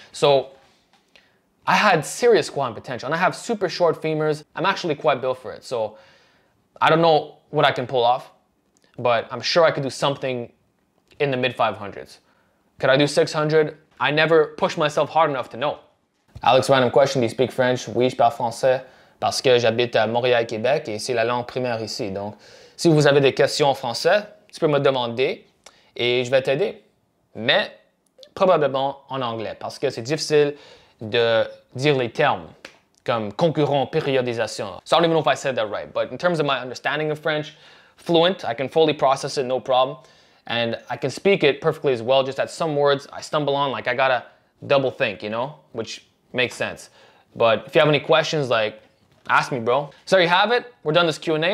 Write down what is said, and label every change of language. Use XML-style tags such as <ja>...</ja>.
<en>So I had serious squatting potential and I have super short femurs. I'm actually quite built for it. So I don't know what I can pull off, but I'm sure I could do something in the mid 500s. Could I do 600? I never pushed myself hard enough to know. Alex, random question. Do you speak French?</en> <fr>Oui, je parle français. Parce que j'habite à Montréal, Québec, et c'est la langue primaire ici. Donc, si vous avez des questions en français, tu peux me demander et je vais t'aider. Mais probablement en anglais, parce que c'est difficile de dire les termes comme concurrent, périodisation.</fr> <en>So I don't even know if I said that right, but in terms of my understanding of French, fluent, I can fully process it, no problem. And I can speak it perfectly as well, just that some words I stumble on, like I gotta double think, you know, which makes sense. But if you have any questions, like, ask me, bro. So there you have it. We're done this Q&A.</en>